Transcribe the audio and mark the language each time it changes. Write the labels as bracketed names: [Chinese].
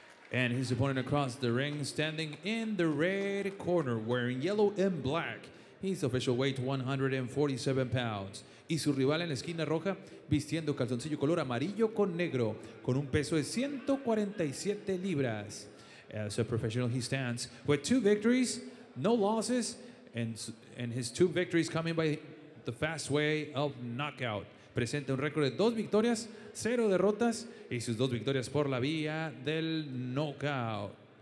[English] And his opponent across the ring, standing in the red corner, wearing yellow and black. His official weight, 147 pounds. [Spanish] Y su rival en la esquina roja, vistiendo calzoncillo color amarillo con negro, con un peso de 147 libras. [English] As a professional, he stands with 2 victories, no losses, and his 2 victories coming by the fast way of knockout. [Spanish] Presenta un récord de 2 victorias, 0 derrotas, y sus 2 victorias por la vía del knockout.